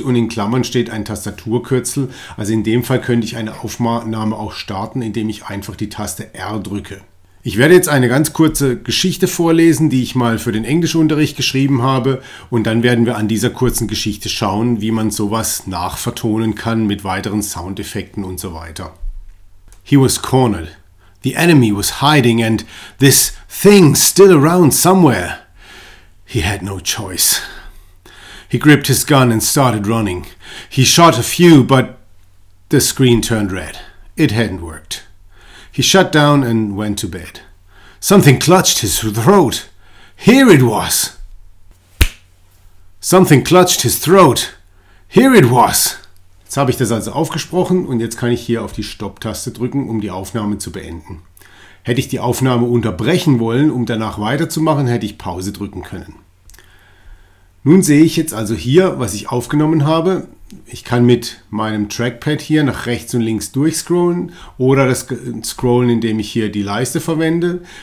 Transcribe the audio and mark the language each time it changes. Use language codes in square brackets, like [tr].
[de] Und in Klammern steht ein Tastaturkürzel. Also in dem Fall könnte ich eine Aufnahme auch starten, indem ich einfach die Taste R drücke. Ich werde jetzt eine ganz kurze Geschichte vorlesen, die ich mal für den Englischunterricht geschrieben habe. Und dann werden wir an dieser kurzen Geschichte schauen, wie man sowas nachvertonen kann mit weiteren Soundeffekten und so weiter. [en] He was cornered. The enemy was hiding and this thing still around somewhere. He had no choice. He gripped his gun and started running. He shot a few, but the screen turned red. It hadn't worked. He shut down and went to bed. Something clutched his throat. Here it was. Something clutched his throat. Here it was. [de] Jetzt habe ich das also aufgesprochen und jetzt kann ich hier auf die Stopptaste drücken, um die Aufnahme zu beenden. Hätte ich die Aufnahme unterbrechen wollen, um danach weiterzumachen, hätte ich Pause drücken können. Nun sehe ich jetzt also hier, was ich aufgenommen habe. Ich kann mit meinem Trackpad hier nach rechts und links durchscrollen oder das Scrollen, indem ich hier die Leiste verwende.